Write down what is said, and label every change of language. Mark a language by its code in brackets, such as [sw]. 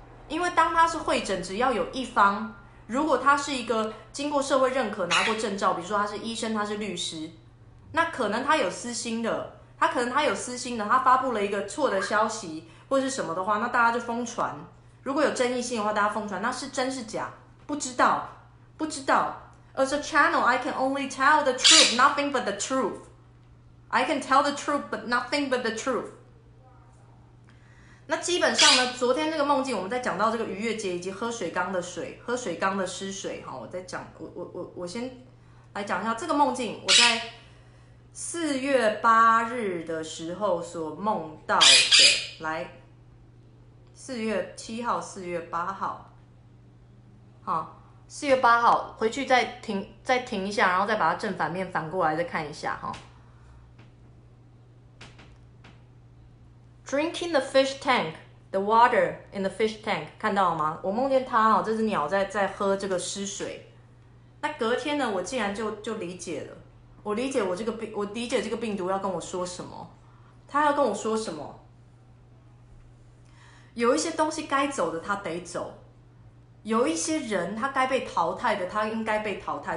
[zh] 因为当他是会诊，只要有一方，如果他是一个经过社会认可拿过证照，比如说他是医生他是律师，那可能他有私心的，他发布了一个错的消息或是什么的话，那大家就疯传。如果有争议性的话，大家疯传，那是真是假不知道。 [en] As a channel I can only tell the truth nothing but the truth I can tell the truth but nothing but the truth。 [zh] 那基本上呢，昨天这个梦境我们在讲到这个逾越节以及喝水缸的失水，我在讲 我先来讲一下这个梦境。我在四月八日的时候所梦到的，来，4月7号、4月8号，好，4月8号回去再停一下，然后再把它正反面反过来再看一下哈。 [en] drinking the fish tank, the water in the fish tank. [zh] 看到吗？我梦见他哦，这只鸟在喝这个湿水。那隔天呢，我竟然就理解了，我理解这个病毒要跟我说什么，他要跟我说什么。有一些东西该走的，他得走。有一些人他该被淘汰的，他应该被淘汰。